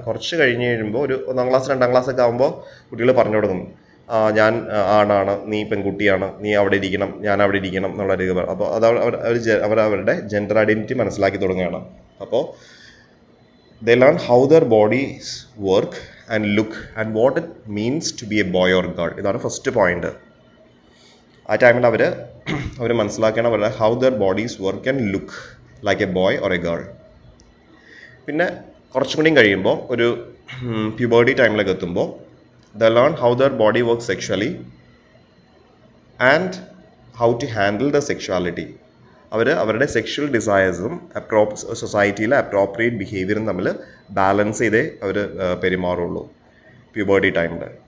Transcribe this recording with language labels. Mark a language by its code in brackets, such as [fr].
[ml] കുറച്ച് കഴിഞ്ഞ് കഴിയുമ്പോൾ ഒരു ഒന്നാം ക്ലാസ് രണ്ടാം ക്ലാസ് ഒക്കെ ആകുമ്പോൾ കുട്ടികൾ പറഞ്ഞു തുടങ്ങും, ഞാൻ ആണാണ്, നീ പെൺകുട്ടിയാണ്, നീ അവിടെ ഇരിക്കണം, ഞാൻ അവിടെ ഇരിക്കണം എന്നുള്ള രീതി പറയും. അപ്പോൾ അത് അവരുടെ ജെൻഡർ ഐഡൻറ്റിറ്റി മനസ്സിലാക്കി തുടങ്ങുകയാണ്. അപ്പോൾ [en] They learn how their bodies work and look and what it means to be a boy or girl. This is the first point. At that time, they understand how their bodies work and look like a boy or a girl. Now, when they come to puberty time, they learn how their body works sexually and how to handle the sexuality. [ml] അവരുടെ sexual ഡിസയേഴ്സും സൊസൈറ്റിയിലെ appropriate ബിഹേവിയറും തമ്മിൽ balance ചെയ്തേ അവർ പെരുമാറുള്ളൂ puberty ടൈമിൽ.